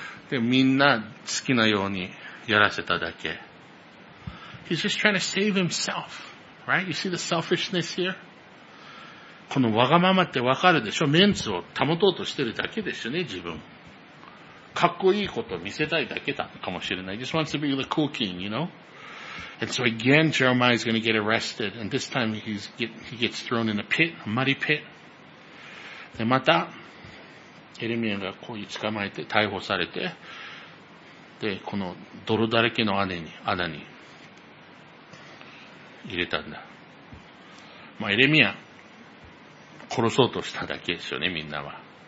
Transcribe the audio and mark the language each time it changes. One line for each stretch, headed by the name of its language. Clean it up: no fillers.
Japanese: で、みんな好きなようにやらせただけ。
English: He's just trying to save himself, right? You see the selfishness here?
Japanese: このわがままってわかるでしょ？メンツを保とうとしてるだけでしょね、自分。かっこいいことを見せたいだけだかもしれない。
English: Just wants to be the cool king, you know? And so again, Jeremiah is going to get arrested, and this time he gets thrown in a pit, a muddy pit.
Japanese: で、また、エレミアがこういう捕まえて、逮捕されて、で、この泥だらけの穴に入れたんだ。まあ、エレミア、殺そうとしただけですよね、みんなは。